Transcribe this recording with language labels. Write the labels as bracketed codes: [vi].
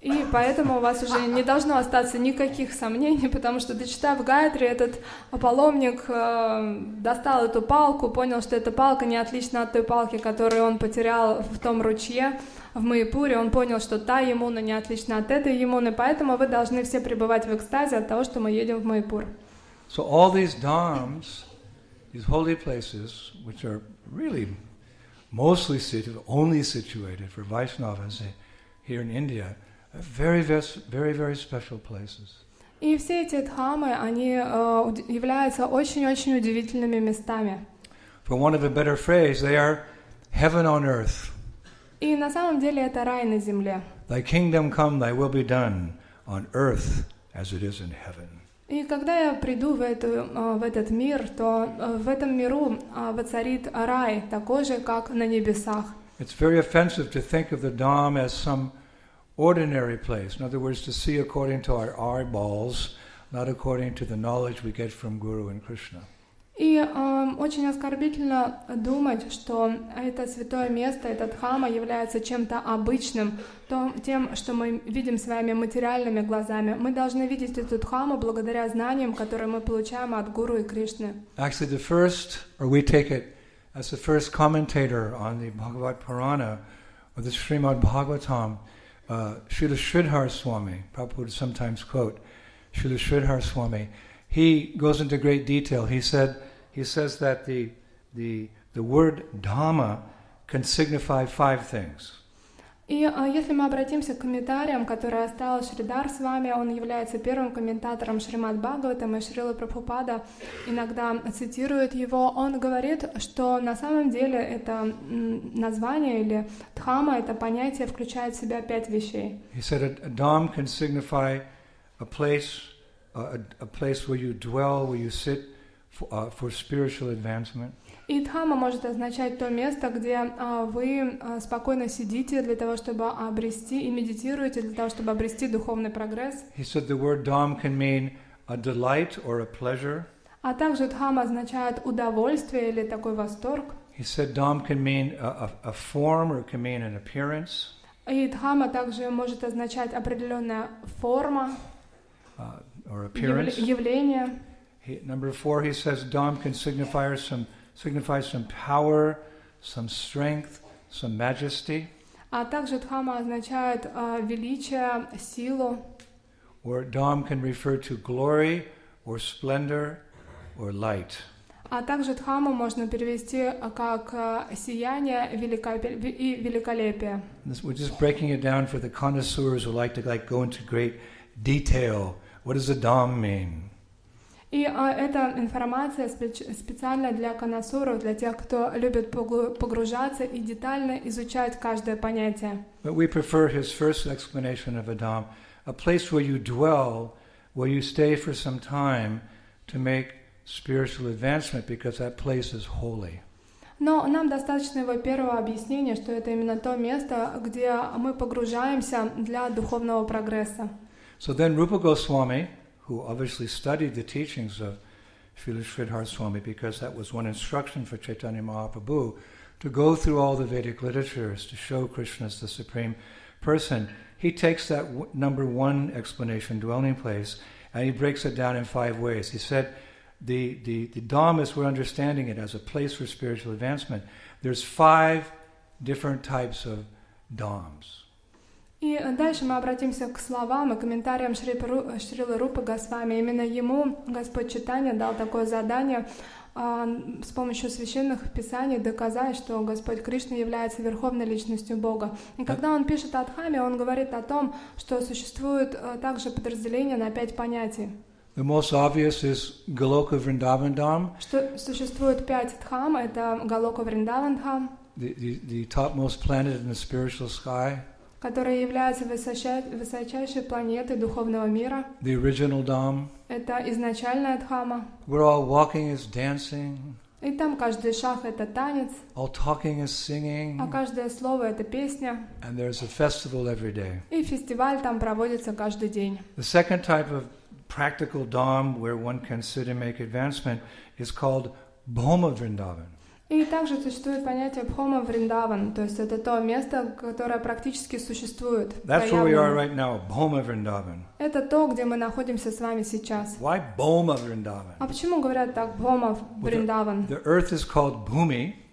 [ru] Поэтому у вас уже не должно остаться никаких сомнений, потому что, дочитав Гаятри, этот паломник достал эту палку, понял, что эта палка не отлична от той палки, которую он потерял в том ручье в Майпуре. Он понял, что та Ямуна не отлична от этой Ямуны, поэтому вы должны все пребывать в экстазе от того, что мы едем в Майпур. [en] So all these dhams, these holy places, which are really mostly situated, only situated for Vaishnavas here in India, very, very, very special places. [ru] И все эти дхамы, они являются очень-очень удивительными местами. [en] For want of a better phrase, they are heaven on earth. [ru] И на самом деле это рай на земле. [en] Thy kingdom come, thy will be done on earth as it is in heaven. [ru] И когда я приду в этот мир, то в этом миру воцарит рай, такой же, как на небесах. [en] It's very offensive to think of the dham as some ordinary place, in other words, to see according to our eyeballs, not according to the knowledge we get from Guru and Krishna. [ru] очень оскорбительно думать, что это святое место, эта дхамма является чем-то обычным, тем, что мы видим своими материальными глазами. Мы должны видеть эту дхамму благодаря знаниям, которые мы получаем от Гуру и Кришны. [en] Actually, the first, or we take it as the first commentator on the Bhagavad Purana, or the Srimad Bhagavatam, Srila Sridhar Swami, Prabhupada sometimes quote, Srila Sridhar Swami, he goes into great detail. He says that the word dhamma can signify five things. [ru] И если мы обратимся к комментариям, которые оставил Шридхар Свами, он является первым комментатором Шримад Бхагаватам, и Шрила Прабхупада иногда цитирует его, он говорит, что на самом деле это название или дхамма, это понятие включает в себя пять вещей. [en] He said a dham can signify a place where you dwell, where you sit for spiritual advancement. [ru] И дхамма может означать то место, где вы спокойно сидите для того, чтобы обрести, и медитируете для того, чтобы обрести духовный прогресс. [en] He said the word dham can mean a delight or a pleasure. [ru] А также дхамма означает удовольствие или такой восторг. [en] He said dham can mean a form or can mean an appearance. [ru] И дхамма также может означать определенная форма, [en] or appearance. [ru] Явление. [en] Number four, he says dham can signify some power, some strength, some majesty. [ru] А также дхамма означает величие, силу. [en] Or dham can refer to glory, or splendor, or light. [ru] А также дхамму можно перевести как сияние и великолепие. [en] We're just breaking it down for the connoisseurs who like to like go into great detail. What does a dham mean? [ru] И эта информация специально для коннессуров, для тех, кто любит погружаться и детально изучать каждое понятие. [en] But we prefer his first explanation of a dham, a place where you dwell, where you stay for some time to make spiritual advancement, because that place is holy. [ru] Но нам достаточно его первого объяснения, что это именно то место, где мы погружаемся для духовного прогресса. [en] So then Rupa Goswami, who obviously studied the teachings of Srila Sridhar Swami, because that was one instruction for Chaitanya Mahaprabhu, to go through all the Vedic literatures to show Krishna as the Supreme Person. He takes that number one explanation, dwelling place, and he breaks it down in five ways. He said, the dham, as we're understanding it, as a place for spiritual advancement, there's five different types of dhams. [ru] И дальше мы обратимся к словам и комментариям Шрилы Рупы Госвами. Именно ему Господь Читания дал такое задание с помощью священных писаний доказать, что Господь Кришна является Верховной Личностью Бога. И когда он пишет о Дхаме, он говорит о том, что существует также подразделение на пять понятий. [en] The most obvious is Goloka Vrindavan Dham. [ru] Что существует пять Дхам, это Голока Вриндаван Дхам. [en] The topmost planet in the spiritual sky. [ru] Которая является высочайшей планетой духовного мира. [en] The original dham. [ru] Это изначальная дхама. [en] Where all walking is dancing. [ru] И там каждый шаг это танец. [en] All talking is singing. [ru] А каждое слово это песня. [en] And there's a festival every day. [ru] И фестиваль там проводится каждый день. [en] The second type of practical dham where one can sit and make advancement is called Bhoma Vrindavan. [ru] И также существует понятие Бхома Вриндаван, то есть это то место, которое практически существует. [en] That's where we are right now, Бхома Вриндаван. [ru] Это то, где мы находимся с вами сейчас. [en] Why Бхома Вриндаван? [ru] А почему говорят так Бхома Вриндаван? [en] The earth is called Bhumi.